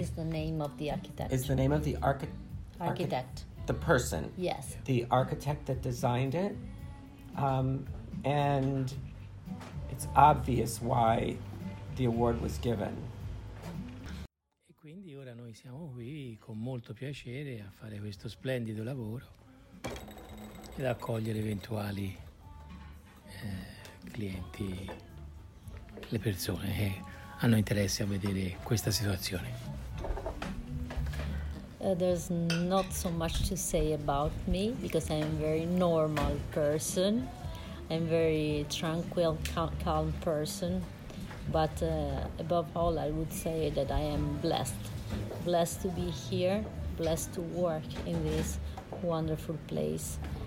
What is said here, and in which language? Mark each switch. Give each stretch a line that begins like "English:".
English: Is the name of the architect. Is the name of the architect. The person. Yes. The architect that designed it. And it's obvious why the award was given.
Italian: E quindi ora noi siamo qui con molto piacere a fare questo splendido lavoro ed accogliere eventuali clienti. Le persone che hanno interesse a vedere questa situazione.
English: There's not so much to say about me because I'm a very normal person. I'm a very tranquil, calm person. But above all, I would say that I am blessed. Blessed to be here, blessed to work in this wonderful place.